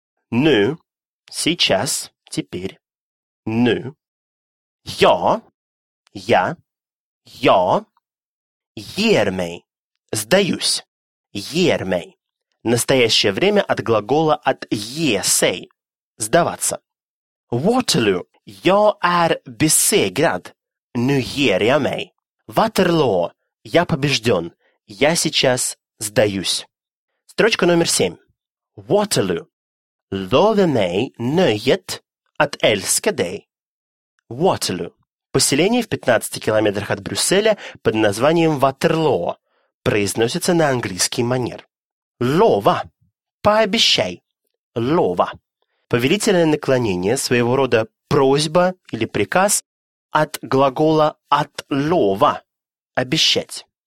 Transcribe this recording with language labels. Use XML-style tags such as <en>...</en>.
<ru>Nu, сейчас, теперь, nu, я, ger mig, сдаюсь, ger mig, настоящее время от глагола от ge sig, сдаваться.</ru> <sv>Waterloo, jag är besegrad. Nu ger jag mig. Waterloo, jag побежден.</sv> <ru>Я сейчас сдаюсь. Строчка номер 7.</ru> <sv>Waterloo, love mig nöjet att älska dig.</sv> <ru>Waterloo, поселение в 15 километрах от Брюсселя под названием Waterloo, произносится на английский манер. Lova, пообещай. Lova. Повелительное наклонение, своего рода просьба или приказ от глагола «от лова» – обещать.</ru>